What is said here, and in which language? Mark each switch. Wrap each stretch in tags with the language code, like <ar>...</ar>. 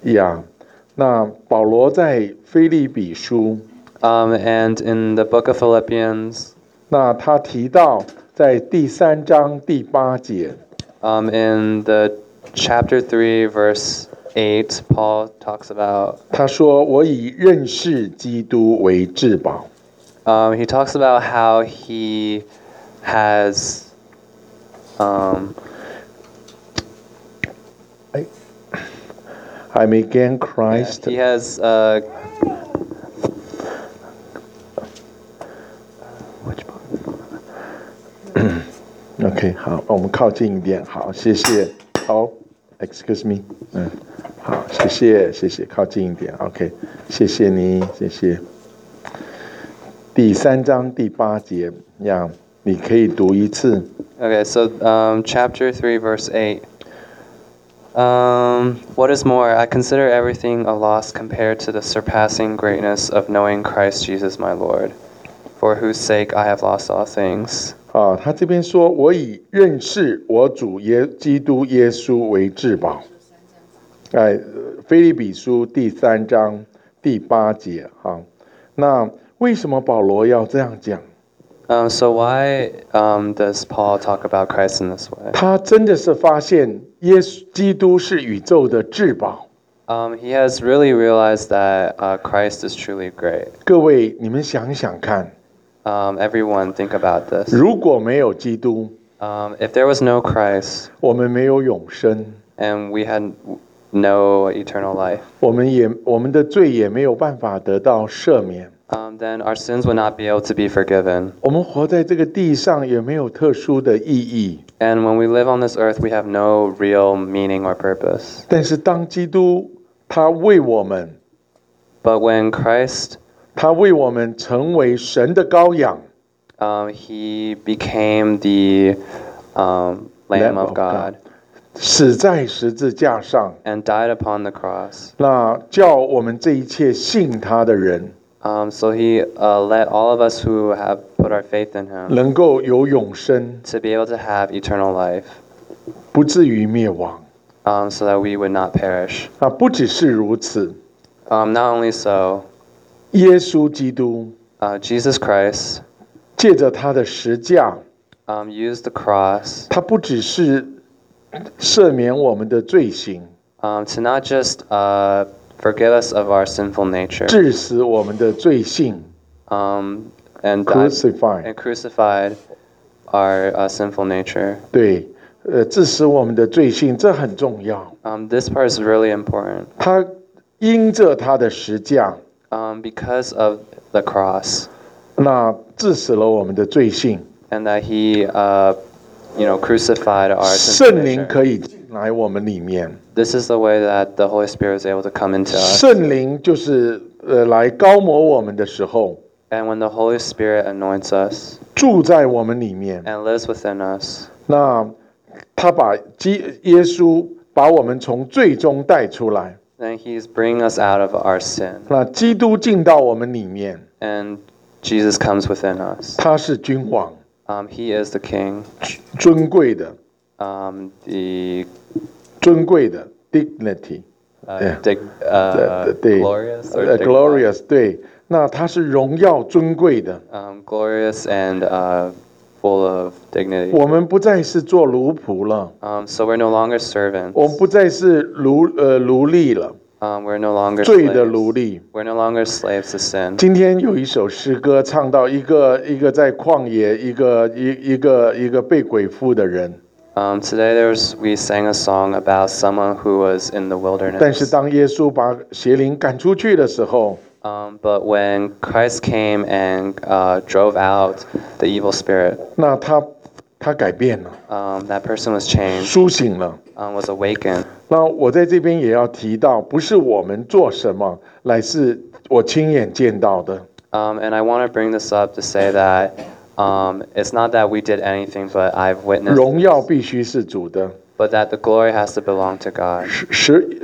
<zh>Yeah, 那保罗在腓立比书。</zh> <en>And in the book of Philippians.</en> <zh>那他提到。在第三章第八节。</zh> <en>In the chapter 3, verse 8, Paul talks about.</en> <zh>他说：“我以认识基督为至宝。”</zh> <en>He talks about how he has. 哎 ，I'm again Christ. Yeah, he has a.</en> <zh>OK, 好，我们靠近一点，好，谢谢，好 ，</zh> <en>excuse me,</en> <zh>好，谢谢，谢谢，靠近一点 ，OK, 谢谢你，谢谢。第三章第八节，样，你可以读一次。</zh> <en>OK, so chapter 3, verse 8. What is more, I consider everything a loss compared to the surpassing greatness of knowing Christ Jesus my Lord, for whose sake I have lost all things.</en> <zh>他这边说我以认识我主基督耶稣为至宝。腓立比书第三章第八节。那为什么保罗要这样讲？</zh> <en>So why does Paul talk about Christ in this way?</en> <zh>他真的是发现耶稣基督是宇宙的至宝。</zh> <en>He has really realized that Christ is truly great.</en> <zh>各位你们想想看。</zh> <en>Everyone think about this.</en> <zh>如果没有基督</zh> <en>if there was no Christ,</en> <zh>我们没有永生</zh> <en>and we had no eternal life,</en> <zh>我们的罪也没有办法得到赦免</zh> <en>then our sins would not be able to be forgiven.</en> <zh>我们活在这个地上也没有特殊的意义</zh> <en>and when we live on this earth, we have no real meaning or purpose.</en> <zh>但是当基督他为我们</zh> <en>but when Christ.</en> <zh>他为我们成为神的羔羊。</zh> <en>He became the Lamb of God.</en> <zh>死在十字架上。</zh> <en>And died upon the cross.</en> <zh>那叫我们这一切信他的人。</zh> <en>So he let all of us who have put our faith in him</en> <zh>能够有永生</zh> <en>to be able to have eternal life</en> <zh>不至于灭亡</zh> <en>so that we would not perish.</en> <zh>啊，不只是如此</zh> <en>not only so,</en> <zh>耶稣基督</zh> <en>Jesus Christ</en> <zh>借着他的十架</zh> <en>used the cross</en> <zh>他不只是赦免我们的罪行</zh> <en>to not just forgive us of our sinful nature.</en> <zh>致死我们的罪性</zh> <en>and crucified. And crucified our sinful nature.</en> <zh>对，致死我们的罪性，这很重要。</zh> <en>This part is really important.</en> <zh>他因着他的十架</zh> <en>because of the cross.</en> <zh>那致死了我们的罪性。</zh> <en>And that he, you know, crucified our sinful nature.</en> <zh>圣灵可以进来我们里面。</zh> <en>This is the way that the Holy Spirit is able to come into us.</en> <zh>圣灵就是来膏抹我们的时候。</zh> <en>And when the Holy Spirit anoints us.</en> <zh>住在我们里面。</zh> <en>And lives within us.</en> <zh>那他把耶稣把我们从罪中带出来。</zh> <en>And he's bringing us out of our sin.</en> <zh>那基督进到我们里面。</zh> <en>And Jesus comes within us.</en> <zh>他是君王。</zh> <en>He is the king.</en> <zh>尊贵的。</zh> <en>The</en> <zh>尊贵的 dignity,</zh> <en>glorious,</en> <zh>对，那他是荣耀尊贵的</zh> <en>glorious and full of dignity.</en> <zh>我们不再是做奴仆了</zh> <en>so we're no longer servants.</en> <zh>我们不再是奴隶了</zh> <en>we're no longer</en> <zh>罪的奴隶</zh> <en>we're no longer slaves to sin.</en> <zh>今天有一首诗歌唱到一个在旷野一个被鬼附的人。</zh> <en>Today we sang a song about someone who was in the wilderness.</en> <zh>但是当耶稣把邪灵赶出去的时候</zh> <en>But when Christ came and drove out the evil spirit,</en> <zh>那他改变了</zh> <en>That person was changed.</en> <zh>苏醒了</zh> <en>Was awakened.</en> <zh>那我在这边也要提到，不是我们做什么，乃是我亲眼见到的</zh> <en>And I want to bring this up to say that it's not that we did anything, but I've witnessed.</en> <zh>荣耀必须是主的。</zh> <en>But that the glory has to belong to God.</en>